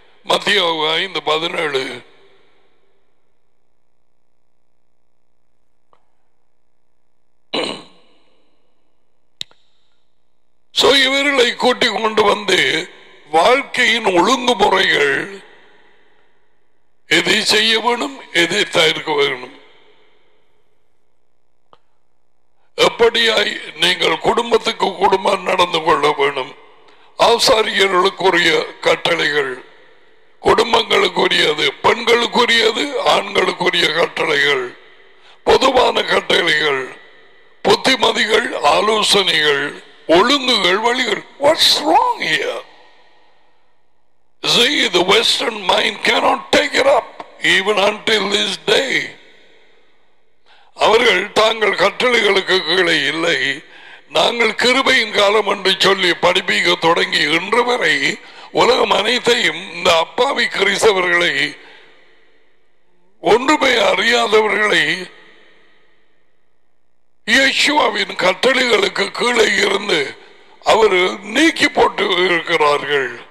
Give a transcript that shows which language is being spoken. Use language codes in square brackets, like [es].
[ta] மத்தேயு 5:17 இவர்களை கூட்டிக் கொண்டு வந்து வாழ்க்கையின் ஒழுங்குமுறைகள், எதை செய்ய வேணும், எதை தயாரிக்க வேணும், எப்படியாய் நீங்கள் குடும்பத்துக்கு குடும்பம் நடந்து கொள்ள வேணும், ஆசாரியர்களுக்குரிய கட்டளைகள், குடும்பங்களுக்குரியது, பெண்களுக்குரியது, ஆண்களுக்குரிய கட்டளைகள், பொதுவான கட்டளைகள், புத்திமதிகள், ஆலோசனைகள், ஒழுங்குகள், வழிகள். [en] What's wrong here? See, the Western mind cannot take it up, even until this day. [ta] அவர்கள் தாங்கள் கட்டளைகளுக்கு கீழே இல்லை, நாங்கள் கிருபையின் காலம் என்று சொல்லி படிப்பிக்க தொடங்கி இன்று வரை உலகம் அனைத்தையும் இந்த அப்பாவி கிறிஸ்தவர்களை, ஒன்றுமே அறியாதவர்களை, இயேசுவின் கட்டளைகளுக்கு கீழே இருந்து அவர் நீக்கி போட்டு இருக்கிறார்கள்.